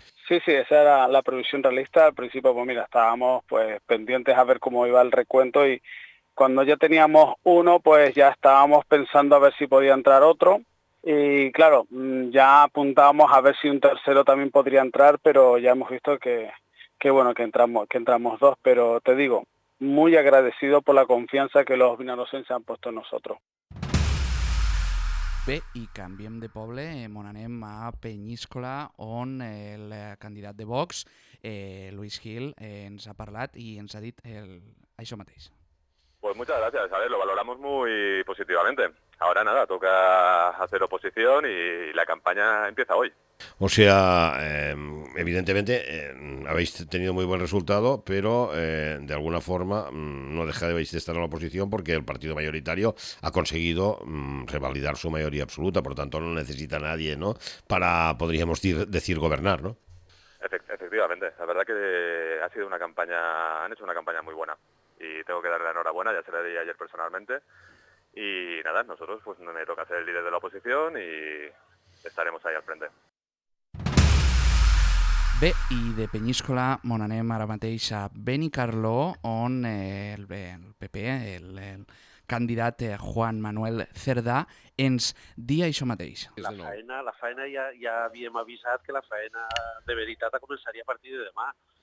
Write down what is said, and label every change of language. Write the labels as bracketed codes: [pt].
[es] Sí, sí, esa era la previsión realista. Al principio, pues mira, estábamos pues pendientes a ver cómo iba el recuento y cuando ya teníamos uno, pues ya estábamos pensando a ver si podía entrar otro. Y claro, ya apuntábamos a ver si un tercero también podría entrar, pero ya hemos visto que bueno, que entramos dos. Pero te digo, muy agradecido por la confianza que los vinarocenses han puesto en nosotros. [ca] Bé, i canviem de poble, on anem a Peníscola, on el candidat de Vox, Luis Gil, ens ha parlat i ens ha dit això mateix. [es] Pues muchas gracias, a ver, lo valoramos muy positivamente. Ahora nada, toca hacer oposición y la campaña empieza hoy. O sea, evidentemente habéis tenido muy buen resultado, pero de alguna forma no dejáis de estar en la oposición porque el partido mayoritario ha conseguido revalidar su mayoría absoluta, por lo tanto no necesita nadie, ¿no?, para, podríamos decir, gobernar, ¿no? Efectivamente, la verdad que ha sido una campaña, han hecho una campaña muy buena y tengo que darle la enhorabuena, ya se la di ayer personalmente. Y nada, nosotros pues me toca ser el líder de la oposición y estaremos ahí al frente. [ca] Bé, i de Peníscola mon anem ara mateix a Benicarló, on el PP, el candidat Juan Manuel Cerdà, ens dia això mateix. La faena ja havíem avisat que la faena de veritat començaria a partir de demà.